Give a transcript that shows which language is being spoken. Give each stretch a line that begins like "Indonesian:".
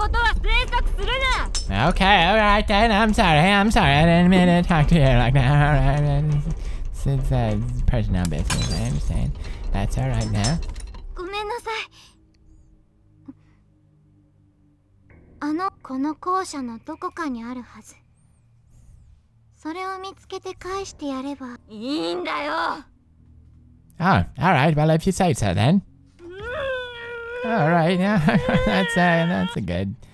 English: Okay, alright then, I'm sorry, I didn't mean to talk to you like that, alright, since that's personal business, I understand. That's alright now.
Japanese: ごめんなさい。あの、この校舎のどこかにあるはず。それを見つけて返してやれば。いいんだよ!
English: Oh, alright, well if you say so then. Alright, yeah, that's a good...